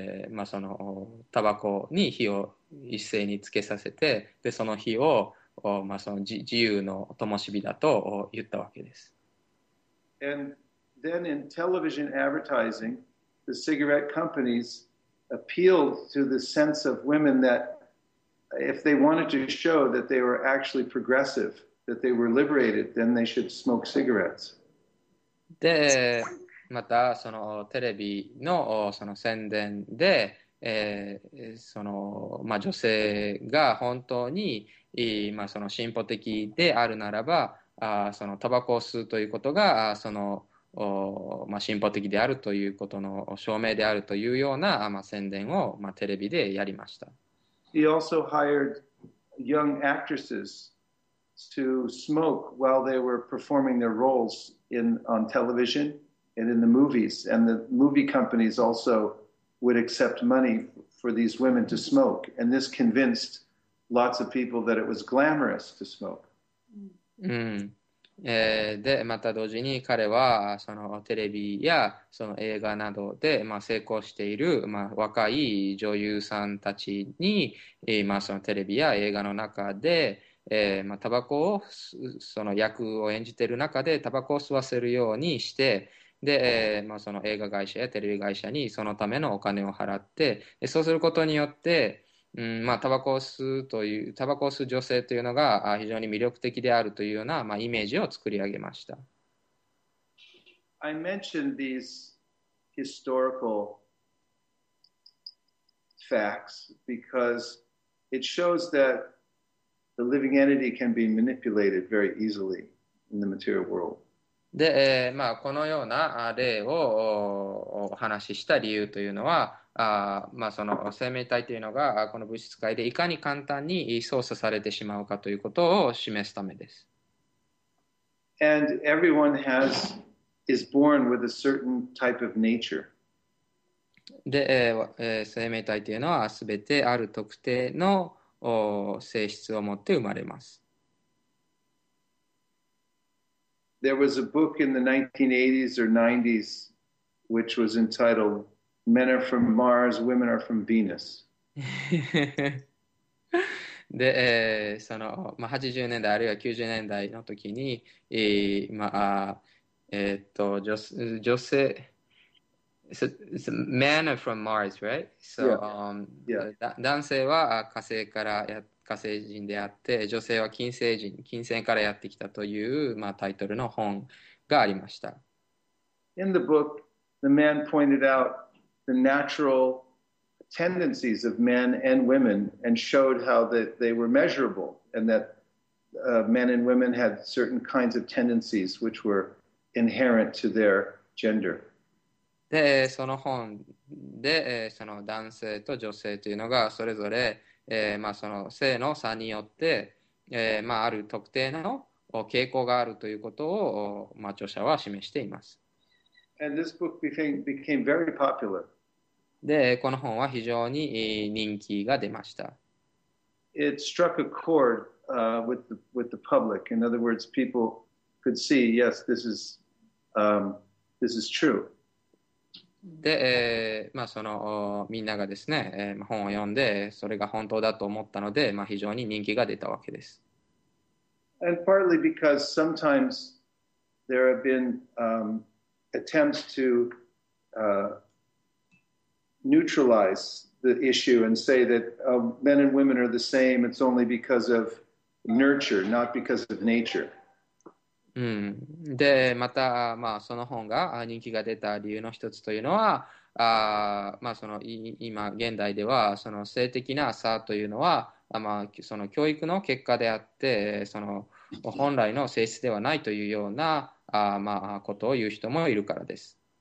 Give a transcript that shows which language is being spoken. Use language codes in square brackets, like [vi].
[ja] まあ、そのタバコに火を一斉につけさせて、でその火をまあ、その自由の灯火だと言ったわけです。 [en] And then in television advertising, the cigarette companies appealed to the sense of women that if they wanted to show that they were actually progressive, that they were liberated, then they should smoke cigarettes. [ja] で、またそのテレビのその宣伝で、その、まあ、女性が本当に、まあ、その進歩的であるならば、そのタバコを吸うということが、その、まあ、進歩的であるということの証明であるというような、まあ、宣伝を、まあ、テレビでやりました。 [en] He also hired young actresses to smoke while they were performing their roles on television and in the movies. And the movie companies also would accept money for these women to smoke. And this convinced lots of people that it was glamorous to smoke. [ja] で、また同時に彼は、そのテレビやその映画などで、まあ、成功している、まあ、若い女優さんたちに、まあ、そのテレビや映画の中で、まあ、タバコを、その役を演じている中で、タバコを吸わせるようにして、で、まあ、その映画会社やテレビ会社にそのためのお金を払って、そうすることによって、まあ、タバコを吸う女性というのが非常に魅力的であるというような、まあ、イメージを作り上げました。 [en] I mentioned these historical facts because it shows that the living entity can be manipulated very easily in the material world. [ja] で、まあ、このような例をお話しした理由というのは、まあ、その生命体というのがこの物質界でいかに簡単に操作されてしまうかということを示すためです。 [en] And everyone has is born with a certain type of nature. [ja] で、生命体というのはすべてある特定の性質を持って生まれます。 [en] There was a book in the 1980s or 90s which was entitled Men Are From Mars, Women Are From Venus. [ja] で、その、まあ、80年代あるいは90年代の時に、まあ、女性、 [en] Man are from Mars, right? [ja] So, 男性は火星人であって、女性は金星からやってきたという、まあ、タイトルの本がありました。 [en] In the book, the man pointed out the natural tendencies of men and women and showed how that they were measurable and that men and women had certain kinds of tendencies which were inherent to their gender. [ja] で、その本で、その男性と女性というのがそれぞれ、まあ、その性の差によって、まあ、ある特定の傾向があるということを、まあ、著者は示しています。 [en] And this book became very popular. [ja] で、この本は非常に人気が出ました。 [en] It struck a chord, with the public. In other words, people could see, yes, this is true. [ja] で、まあ、そのみんながですね、本を読んで、それが本当だと思ったので、まあ、非常に人気が出たわけです。 [en] And partly because sometimes there have been, attempts to neutralize the issue and say that men and women are the same, it's only because of nurture, not because of nature. [ja] で、また、まあ、その本が人気が出た理由の一つというのは、まあ、その今現代ではその性的な差というのは、まあ、その教育の結果であって、その本来の性質ではないというような、まあ、ことを言う人もいるからです。